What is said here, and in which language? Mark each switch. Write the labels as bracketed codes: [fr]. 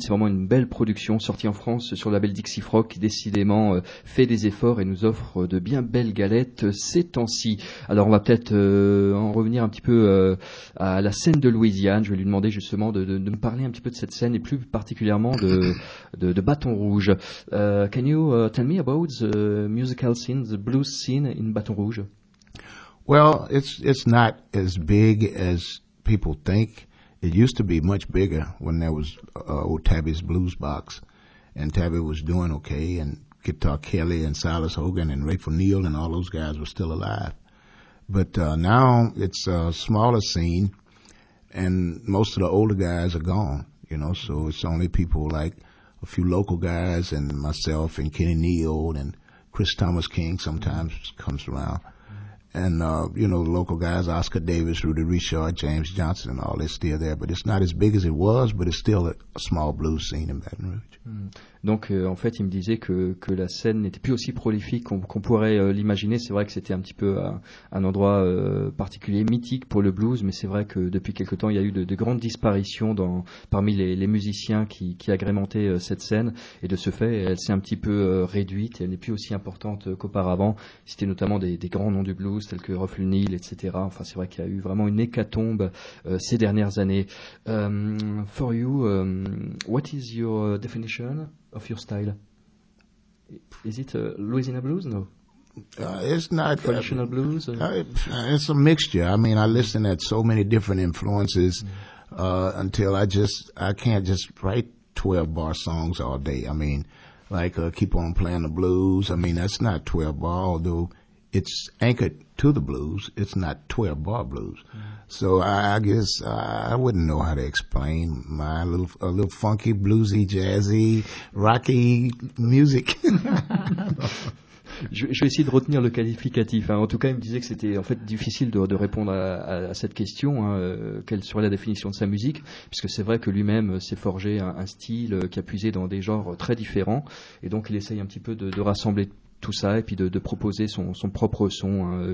[fr] C'est vraiment une belle production sortie en France sur le label Dixie Frog qui décidément fait des efforts et nous offre de bien belles galettes ces temps-ci. Alors on va peut-être en revenir un petit peu à la scène de Louisiane. Je vais lui demander justement de me parler un petit peu de cette scène et plus particulièrement de Baton Rouge. [en] Can you tell me about the musical scene, the blues scene in Baton Rouge? Well, it's not as big as people think. It used to be much bigger when there was old Tabby's Blues Box, and Tabby was doing okay, and Guitar Kelly and Silas Hogan and Rafe O'Neill and all those guys were still alive. But now it's a smaller scene, and most of the older guys are gone. You know, so it's only people like a few local guys and myself and Kenny Neal and Chris Thomas King sometimes comes around. And, you know, local guys, Oscar Davis, Rudy Richard, James Johnson and all, they're still there. But it's not as big as it was, but it's still a small blues scene in Baton Rouge. [fr] Donc, en fait, il me disait que la scène n'était plus aussi prolifique qu'on pourrait l'imaginer. C'est vrai que c'était un petit peu un endroit particulier, mythique pour le blues, mais c'est vrai que depuis quelque temps, il y a eu de grandes disparitions parmi les musiciens qui agrémentaient cette scène. Et de ce fait, elle s'est un petit peu réduite. Elle n'est plus aussi importante qu'auparavant. C'était notamment des grands noms du blues, tels que Ruffle Neal, etc. Enfin, c'est vrai qu'il y a eu vraiment une hécatombe ces dernières années. [en] For you, what is your definition of your style? Is it Louisiana blues? No. It's not traditional blues. It's a mixture. I mean, I listen at so many different influences until I can't just write 12 bar songs all day. I mean, like keep on playing the blues. I mean, that's not 12 bar, although it's anchored to the blues. It's not 12 bar blues. Mm. So I guess I wouldn't know how to explain my little funky, bluesy, jazzy, rocky music. [fr] Je vais essayer de retenir le qualificatif. Hein. En tout cas, il me disait que c'était en fait difficile de répondre à cette question, hein, quelle serait la définition de sa musique, puisque c'est vrai que lui-même s'est forgé un style qui a puisé dans des genres très différents, et donc il essaye un petit peu de rassembler tout ça et puis de proposer son propre son, hein.